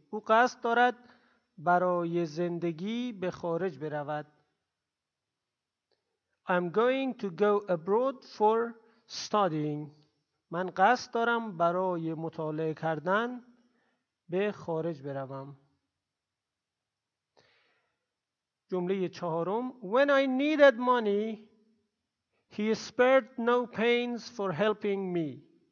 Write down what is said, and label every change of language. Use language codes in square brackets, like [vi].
[fa] او قصد دارد برای زندگی به خارج برود. [en] I'm going to go abroad for studying. [fa] من قصد دارم برای مطالعه کردن به خارج بروم. جمله چهارم، [en] When I needed money, he spared no pains for helping me.